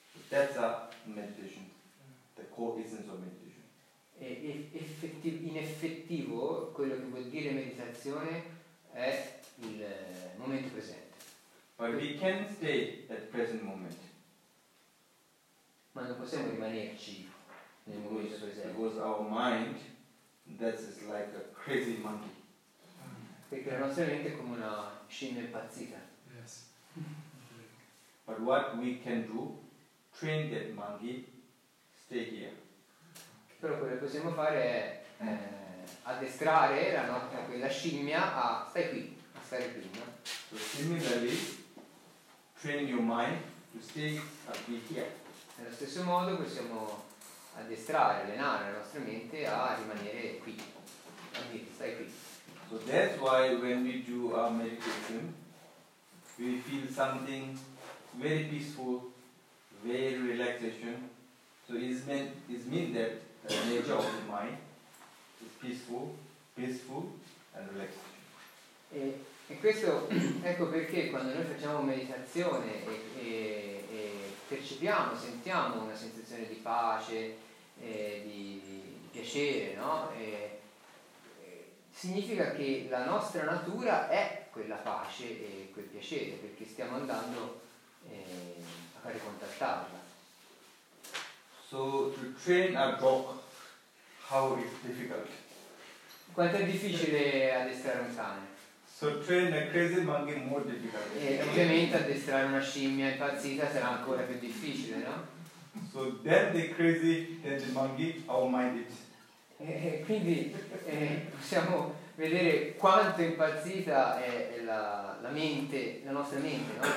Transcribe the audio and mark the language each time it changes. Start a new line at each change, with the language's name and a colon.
English: That's a meditation, the core essence of meditation.
Italian: In effettivo quello che vuol dire meditazione è il momento presente.
English: But we can stay at present moment.
Italian: Ma non possiamo rimanerci nel momento presente.
English: Because our mind, that is like a crazy monkey.
Italian: Perché la nostra mente è come una scimmia impazzita.
English: Yes. But what we can do, train that monkey, stay here.
Italian: Però quello che possiamo fare è addestrare la nostra, quella scimmia, a stare qui, a stare qui, no?
English: So similarly, train your mind to stay up here.
Italian: Nello stesso modo possiamo addestrare, allenare la nostra mente a rimanere qui, a dire stai qui.
English: So that's why when we do our meditation, we feel something very peaceful, very relaxation. So it means that the nature of the mind is peaceful and relaxed.
Italian: E questo, ecco perché quando noi facciamo meditazione e percepiamo, sentiamo una sensazione di pace, di piacere, no? Significa che la nostra natura è quella pace e quel piacere, perché stiamo andando a fare contattarla.
English: So to train a dog, how is difficult?
Italian: Quanto è difficile addestrare un cane?
English: So train a crazy monkey more difficult.
Italian: E ovviamente addestrare una scimmia impazzita sarà ancora più difficile, no?
English: So then the crazy and the monkey, how mind it?
Italian: Quindi possiamo vedere quanto impazzita è la mente, la nostra mente, no?